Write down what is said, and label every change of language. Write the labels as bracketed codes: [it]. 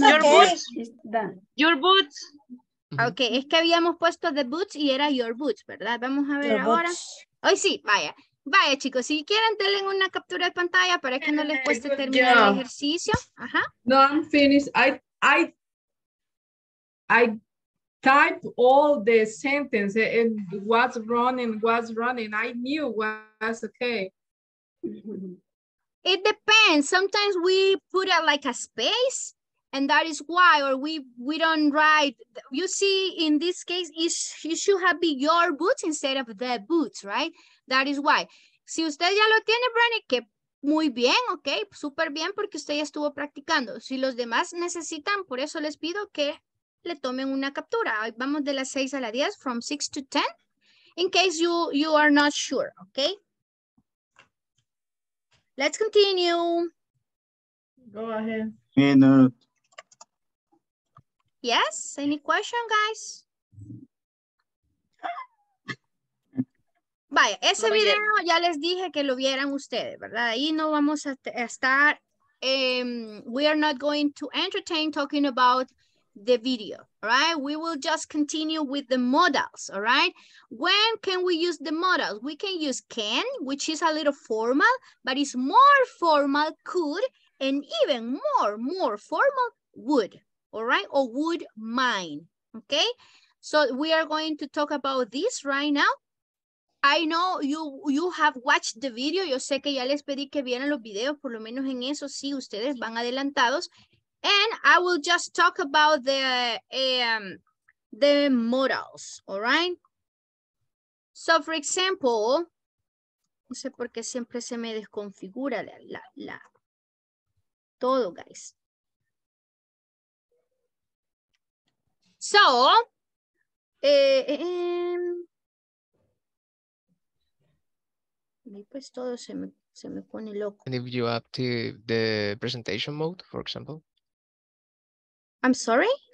[en] your okay. boots. It's done. Your boots. [es] Mm-hmm. Okay, es que habíamos puesto [en] the boots [es] y era [en] your boots, [es] ¿verdad? Vamos a ver [en] your [es] ahora. Hoy oh, sí, vaya. Vaya, chicos, si quieren, denle una captura de pantalla para que no les cueste [en] good [es] terminar [en] job. [es] El ejercicio. Ajá. [en] No, I'm finished. I type all the sentences and what's running. I knew what's okay. It depends. Sometimes we put a, like a space and that is why, or we don't write. You see, in this case, it should have been your boots instead of the boots, right? That is why. [es] Si usted ya lo tiene, Brandy, que muy bien, ok, súper bien, porque usted ya estuvo practicando. Si los demás necesitan, por eso les pido que le tomen una captura. Vamos de las 6 a la 10, [en] from 6 to 10, in case you are not sure, ok. Let's continue. Go ahead. Yes, any question, guys? [es] Vaya, ese video ya les dije que lo vieran ustedes, ¿verdad? Ahí no vamos a estar, [en] we are not going to entertain talking about the video, right? We will just continue with the models, all right? When can we use the models? We can use can, which is a little formal, but it's more formal, could, and even more formal, would, all right? Or would mind, okay? So we are going to talk about this right now. I know you have watched the video. [es] Yo sé que ya les pedí que vieran los videos, por lo menos en eso sí ustedes van adelantados. [en] And I will just talk about the models, all right? So for example, [es] no sé por qué siempre se me desconfigura la todo, guys. [en] So and if you up to the presentation mode, for example? I'm sorry?